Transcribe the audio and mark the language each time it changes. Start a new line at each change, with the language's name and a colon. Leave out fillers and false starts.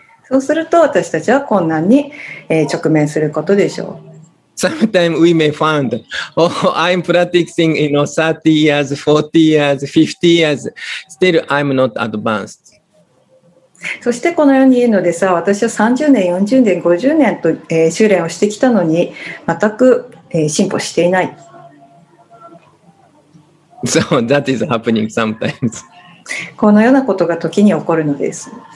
Japanese: そうすると私たちは困難に直面することでしょう。
English: Sometimes we may find, oh, I'm practicing, you know, 30 years, 40 years, 50 years, still I'm not advanced.
Japanese: そしてこのように言うのでさ、私は30年、40年、50年と修練をしてきたのに、全く進歩していない。
English: So that is happening sometimes.
Japanese: このようなことが時に起こるのです。